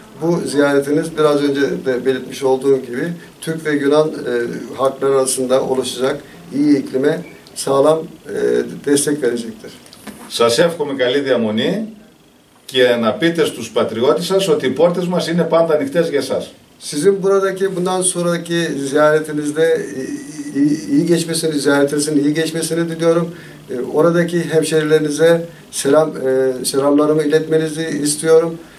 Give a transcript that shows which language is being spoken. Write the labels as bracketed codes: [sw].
[tr] Bu ziyaretiniz biraz önce de belirtmiş olduğum gibi Türk ve Yunan halkları arasında oluşacak iyi iklime sağlam destek verecektir. [el] Σας εύχομαι καλή διαμονή. Και να πείτε στους πατριώτες σας ότι οι πόρτες μας είναι πάντα ανοιχτές για εσάς. [tr] Sizin buradaki bundan sonraki ziyaretinizde iyi geçmesini, ziyaretinizin iyi geçmesini diliyorum. Oradaki hemşerilerinize selamlarımı iletmenizi istiyorum.